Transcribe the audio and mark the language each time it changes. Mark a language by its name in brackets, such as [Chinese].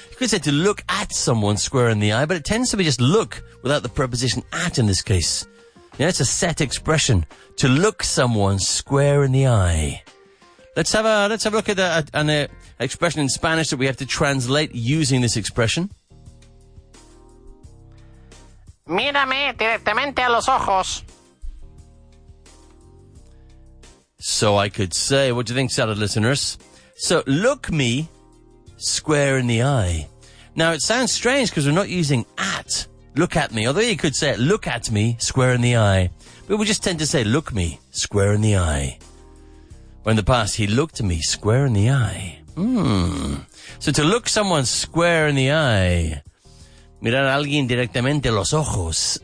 [English] You could say to look at someone square in the eye, but it tends to be just look without the preposition at in this case. Yeah, it's a set expression, to look someone square in the eye. Let's have a look at an expression in Spanish that we have to translate using this expression. [Spanish] Mírame directamente a los ojos. [English] So I could say, what do you think, salad listeners? So look me square in the eye. Now it sounds strange because we're not using at. Look at me. Although you could say, look at me, square in the eye. But we just tend to say, look me, square in the eye. Or in the past, he looked me square in the eye. So to look someone square in the eye. [Spanish] Mirar a alguien directamente los ojos.